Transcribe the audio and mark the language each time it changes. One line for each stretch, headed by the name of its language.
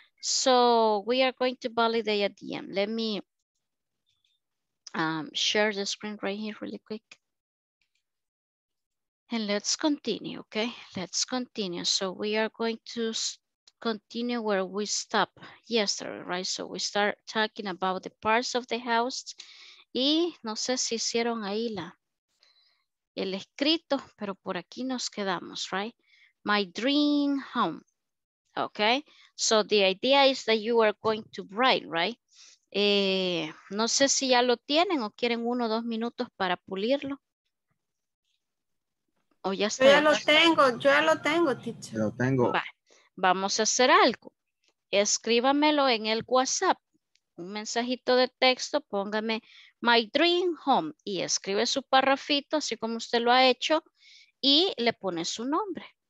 English: So we are going to validate at the end. Let me share the screen right here really quick. And let's continue, okay? Let's continue. So we are going to continue where we stopped yesterday, right? So we start talking about the parts of the house.
Spanish: Y no sé si hicieron ahí la, el escrito, pero por aquí nos quedamos, right?
English: My dream home, okay? So the idea is that you are going to write, right?
Spanish: No sé si ya lo tienen o quieren uno o dos minutos para pulirlo. O ya está. Yo ya lo tengo, teacher. Lo tengo. Va. Vamos a hacer algo. Escríbamelo en el WhatsApp. Un mensajito de texto, póngame
English: my dream home
Spanish: y escribe su parrafito así como usted lo ha hecho y le pone su nombre.